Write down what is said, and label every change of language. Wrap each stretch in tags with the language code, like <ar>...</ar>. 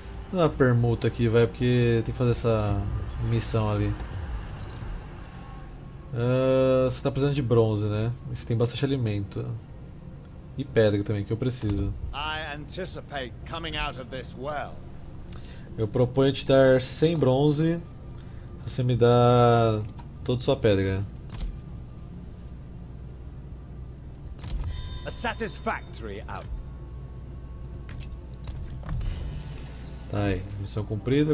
<pt>Vou dar uma permuta aqui, vai, porque tem que fazer essa missão ali. Você tá precisando de bronze, né? Você tem bastante alimento. E pedra também, que eu preciso.</pt> <en>I anticipate coming out of this well.</en> <pt>Eu proponho te dar 100 bronze se você me dá toda sua pedra.</pt> <en>Satisfactory out.</en> <pt>Tá aí, missão cumprida.</pt>